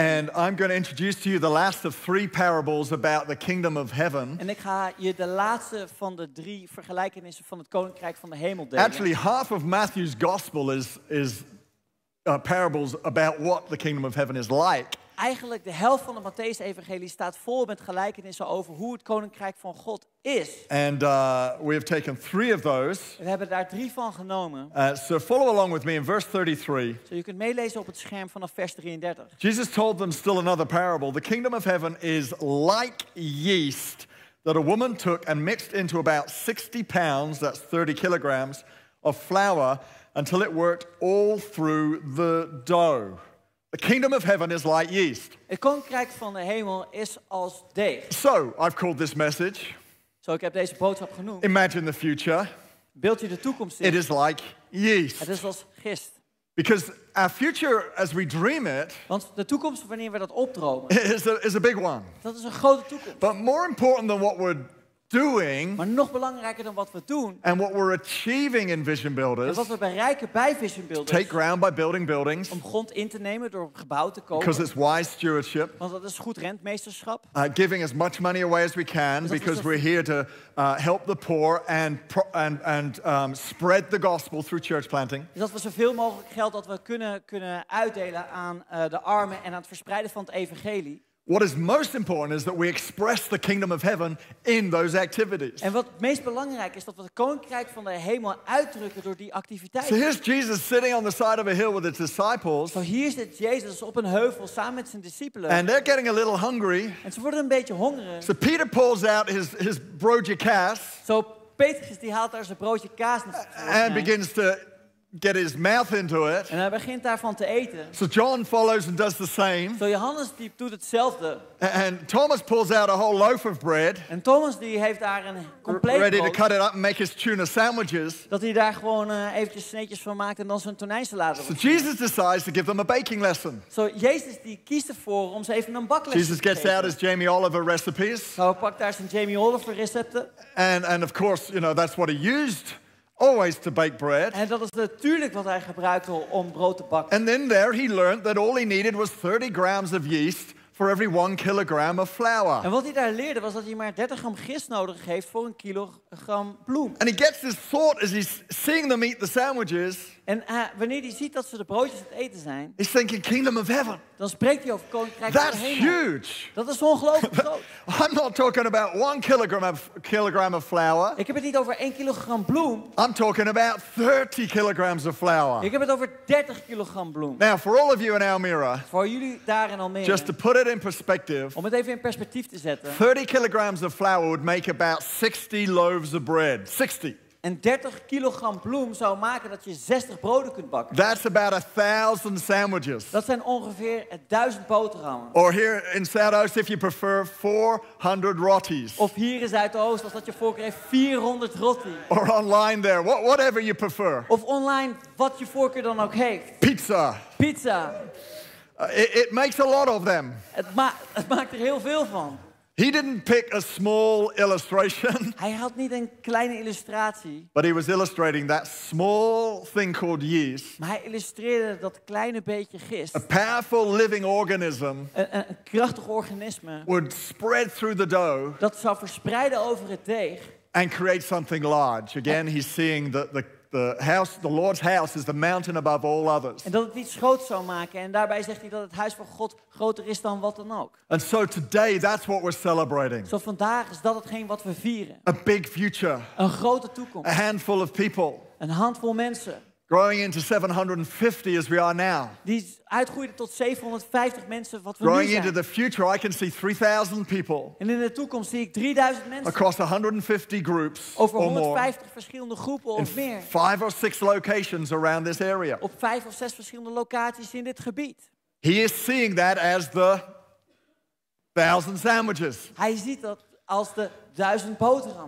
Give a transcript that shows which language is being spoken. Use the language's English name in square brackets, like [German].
[English] And I'm going to introduce to you the last of three parables about the kingdom of heaven. [Dutch] En ik ga je de laatste van de drie vergelijkenissen van het koninkrijk van de hemel delen. [English] Actually, half of Matthew's gospel is parables about what the kingdom of heaven is like. [Dutch] Eigenlijk de helft van de Matteüs-evangelie staat vol met gelijkenissen over hoe het koninkrijk van God is. [English] And we have taken three of those. [Dutch] We hebben daar drie van genomen. [English] So follow along with me in verse 33. [Dutch] So je kunt meelezen op het scherm vanaf vers 33. [English] Jesus told them still another parable. The kingdom of heaven is like yeast that a woman took and mixed into about 60 pounds, that's 30 kilograms, of flour until it worked all through the dough. The kingdom of heaven is like yeast. [Dutch] Het koninkrijk van de hemel is als deeg. [English] So, I've called this message. [Dutch] Zo, ik heb deze boodschap genoemd. [English] Imagine the future. [Dutch] Beeld je de toekomst in. [English] It is like yeast. [Dutch] Het is als gist. [English] Because our future, as we dream it, [Dutch] want de toekomst wanneer we dat opdromen, [English] is a big one. [Dutch] Dat is een grote toekomst. [English] But more important than what we're doing, [Dutch] maar nog belangrijker dan wat we doen, [English] and what we're achieving in Vision Builders, [Dutch] en wat we bereiken bij Vision Builders, [English] take ground by building buildings, [Dutch] om grond in te nemen door op gebouw te kopen, [English] because it's wise stewardship, [Dutch] want dat is goed rentmeesterschap, [English] giving as much money away as we can, dus because we're here to help the poor and spread the gospel through church planting. [Dutch] Dus dat we zoveel mogelijk geld dat we kunnen uitdelen aan de armen en aan het verspreiden van het evangelie. [English] What is most important is that we express the kingdom of heaven in those activities. [Dutch] En wat meest belangrijk is dat we het koninkrijk van de hemel uitdrukken door die activiteiten. [English] So here's Jesus sitting on the side of a hill with his disciples. [Dutch] Zo, hier zit Jezus op een heuvel samen met zijn discipelen. [English] And they're getting a little hungry. [Dutch] En ze worden een beetje hongerig. [English] So Peter pulls out his broodje kaas. [Dutch] Zo, Petrus die haalt daar zijn broodje kaas. [English] And begins to get his mouth into it. [Dutch] En hij begint daarvan te eten. [English] So John follows and does the same. [Dutch] Zo, Johannes die doet hetzelfde. [English] And Thomas pulls out a whole loaf of bread. [Dutch] En Thomas die heeft daar een compleet [English] ready to cut it up and make his tuna sandwiches. [Dutch] Dat hij daar gewoon eventjes sneetjes van maakt en dan zijn tonijnsalade. [English] So Jesus decides to give them a baking lesson. [Dutch] Zo, Jezus die kiest ervoor om ze even een bakles. [English] Jesus gets out his Jamie Oliver recipes. [Dutch] Zo, pakt daar zijn Jamie Oliver recepten. [English] And of course, you know, that's what he used always to bake bread. [Dutch] En dat is natuurlijk wat hij gebruikte om brood te bakken. [English] And then there he learned that all he needed was 30 grams of yeast for every 1 kilogram of flour. [Dutch] En wat hij daar leerde was dat hij maar 30 gram gist nodig heeft voor 1 kilogram bloem. [English] And he gets this thought as he's seeing them eat the sandwiches. [Dutch] En wanneer hij ziet dat ze de broodjes aan het eten zijn, [English] he's thinking kingdom of heaven. [Dutch] Dan spreekt hij over koninkrijk van de hemel. [English] That's huge. [Dutch] Dat is ongelooflijk groot. [English] I'm not talking about one kilogram of flour. [Dutch] Ik heb het niet over 1 kilogram bloem. [English] I'm talking about 30 kilograms of flour. [Dutch] Ik heb het over 30 kilogram bloem. [English] Now for all of you in Almere. [Dutch] Voor jullie daar in Almere. [English] Just to put it in perspective. [Dutch] Om het even in perspectief te zetten. [English] 30 kilograms of flour would make about 60 loaves of bread. [Dutch] 60. En 30 kilogram bloem zou maken dat je 60 broden kunt bakken. [English] That's about 1,000 sandwiches. [Dutch] Dat zijn ongeveer 1,000 boterhammen. [English] Or here in Zuidoost, if you prefer, 400 rotties. [Dutch] Of hier in Zuidoost, als dat je voorkeur heeft, 400 rotties. [English] Or online there, whatever you prefer. [Dutch] Of online, wat je voorkeur dan ook heeft. [English] Pizza. [Dutch] Pizza. [English] It makes a lot of them. [Dutch] Het maakt er heel veel van. [English] He didn't pick a small illustration. [Dutch] Hij had niet een kleine illustratie. [English] But he was illustrating that small thing called yeast. [Dutch] Maar hij illustreerde dat kleine beetje gist. [English] A powerful living organism. [Dutch] Een krachtig organisme. [English] Would spread through the dough. [Dutch] Dat zou verspreiden over het deeg. [English] And create something large. Again, he's seeing that the house, the Lord's house, is the mountain above all others. [Dutch] En dat het iets groots zou maken. En daarbij zegt hij dat het huis van God groter is dan wat dan ook. [English] And so today, that's what we're celebrating. [Dutch] Zo vandaag is dat hetgeen wat we vieren. [English] A big future. [Dutch] Een grote toekomst. [English] A handful of people. [Dutch] Een handvol mensen. [English] Growing into 750 as we are now. [Dutch] Die uitgroeide tot 750 mensen wat we nu zijn. [English] Growing into the future, I can see 3,000 people. [Dutch] En in de toekomst zie ik 3,000 mensen. [English] Across 150 groups or more. [Dutch] Over 150 verschillende groepen of meer. [English] In 5 or 6 locations around this area. [Dutch] Op 5 of 6 verschillende locaties in dit gebied. [English] He is seeing that as the 1,000 sandwiches. [Dutch] Hij ziet dat als de 1,000 boterhammen.